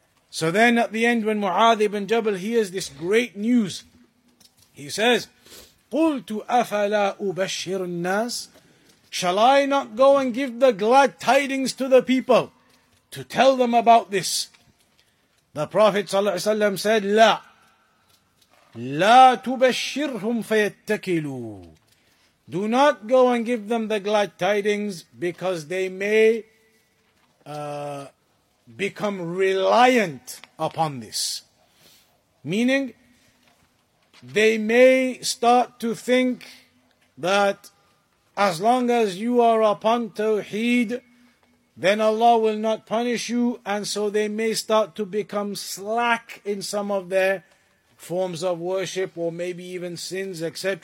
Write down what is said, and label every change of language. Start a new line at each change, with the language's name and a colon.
English: So then at the end, when Mu'adh ibn Jabal hears this great news, he says,
Arabic: قُلْتُ أَفَلَا أُبَشِّرُ النَّاسِ.
English: Shall I not go and give the glad tidings to the people to tell them about this? The Prophet ﷺ said,
Arabic: لا لا تبشرهم فيتكلوا.
English: Do not go and give them the glad tidings because they may become reliant upon this. Meaning, they may start to think that as long as you are upon Tawheed, then Allah will not punish you, and so they may start to become slack in some of their forms of worship, or maybe even sins, etc.